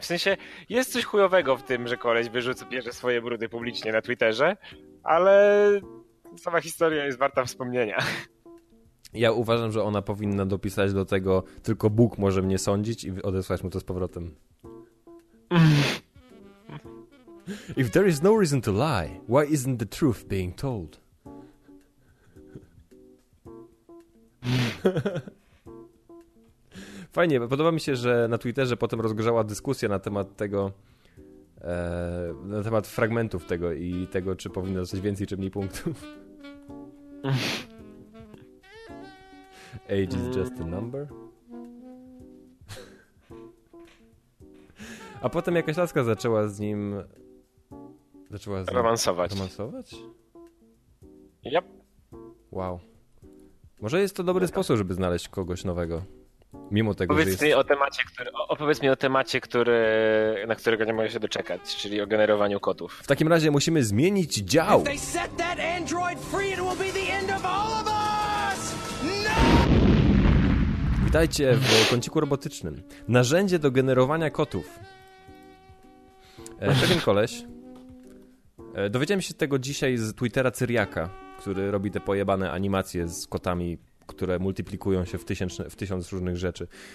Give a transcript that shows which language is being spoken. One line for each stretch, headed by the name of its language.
Polish: W sensie jest coś chujowego w tym, że koleś bierze swoje brudy publicznie na Twitterze, ale sama historia jest warta wspomnienia. Ja uważam, że ona powinna dopisać do tego tylko Bóg może mnie sądzić i odesłać mu to z powrotem.
English: If there is no reason to lie, why isn't the truth being told?
Polish: Fajnie, podoba mi się, że na Twitterze potem rozgrzała dyskusja na temat tego, na temat fragmentów tego i tego, czy powinno dostać więcej czy mniej punktów.
English: Age is just a number.
Polish: A potem jakaś laska zaczęła z nim romansować?
English: Yep. Wow.
Polish: Może jest to dobry sposób, żeby znaleźć kogoś nowego. Mimo tego, opowiedz że jest... mi o temacie, który, opowiedz mi o temacie, który, na którego nie mogę się doczekać, czyli o generowaniu kotów. W takim razie musimy zmienić dział.
English: If they set that android free, it will be the end of all of us!
Polish: No! Witajcie w kąciku robotycznym. Narzędzie do generowania kotów. Pewien koleś. Dowiedziałem się tego dzisiaj z Twittera Cyriaka, który robi te pojebane animacje z kotami, które multiplikują się w tysiąc różnych rzeczy.